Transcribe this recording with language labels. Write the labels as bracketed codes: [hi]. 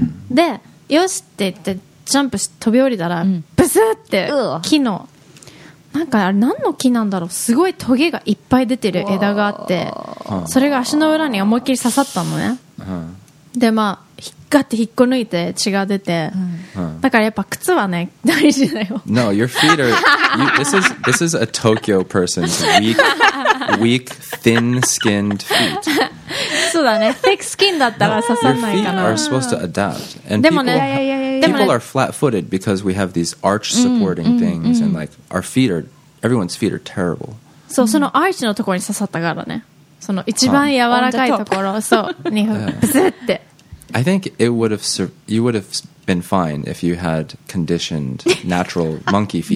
[ja] で、よしって言ってジャンプし飛び降りたら、ブスって木の、なんかあれ何の木なんだろう、すごいトゲがいっぱい出てる枝があって、それが足の裏に思いっきり刺さったのね。で、まあ、引っかって引っこ抜いて血が出て、だからやっぱ靴はね大事だよ。 [en] No, your feet are this is a Tokyo person's weak thin skinned feet. [ja] そうだね、 [en] thick skin [ja] だったら刺さないかな。 [en] Your feet are supposed to adapt. And people are flat footed because we have these arch supporting things, and like our feet are everyone's feet are terrible. [ja] そう、そのアーチのところに刺さったからね。その一番柔らかいところ、そうにブスって。 [en] I think it would have you would have been fine if you had conditioned natural monkey feet